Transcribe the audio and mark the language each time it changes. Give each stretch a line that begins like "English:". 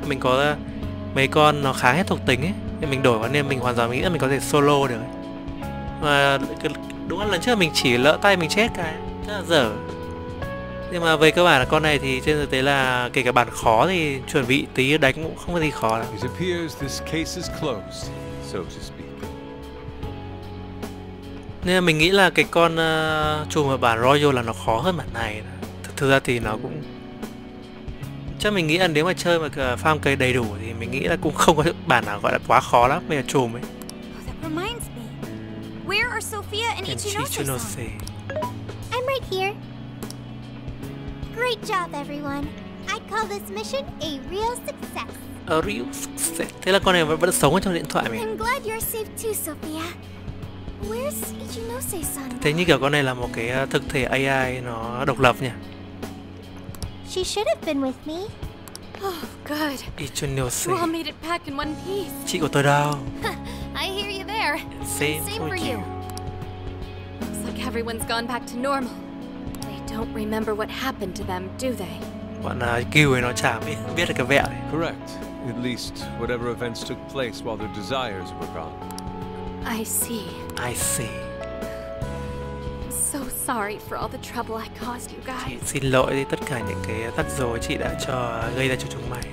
Vietnamese: Mình có mấy con nó khá hết thuộc tính ấy. Thì mình đổi nên mình hoàn toàn nghĩ là mình có thể solo được. Mà đúng là lần trước mình chỉ lỡ tay mình chết cái ấy. Rất là dở. Nhưng mà về cơ bản là con này thì trên thực tế là kể cả bản khó thì chuẩn bị tí đánh cũng không có gì khó lắm.
English: It appears this case is closed, so to speak.
Vietnamese: Nên là mình nghĩ là cái con trùm ở bản Royal là nó khó hơn bản này. Thực ra thì nó cũng Chắc mình nghĩ là nếu mà chơi mà farm cây đầy đủ thì mình nghĩ là cũng không có bản nào gọi là quá khó lắm. Mình là trùm ấy.
English: Oh, that reminds me. Where are Sophia and Ichinose? I'm right here. Great job, everyone. I call this mission a real success. A real success.
Vietnamese: Thế là con này vẫn sống ở trong điện thoại mình.
English: I'm glad you're safe too, Sophia. Where's Ichinose-san?
Vietnamese: Thế như kiểu con này là một cái thực thể AI nó độc lập nhỉ?
English: She should have been with me. Oh, good. Ichinose. You all made it back in one piece.
Vietnamese: Chị của tôi đâu?
English: I hear you there. Same for you. Looks like everyone's gone back to normal. They don't remember what happened to them, do they?
Vietnamese: Bọn kêu ấy nó chả biết được cái vẹo ấy.
English: Correct. At least whatever events took place while their desires were gone. I see. I'm so sorry for all the trouble I caused you guys.
Vietnamese: Chị xin lỗi đi tất cả những cái rắc rối chị đã cho gây ra cho chúng mày.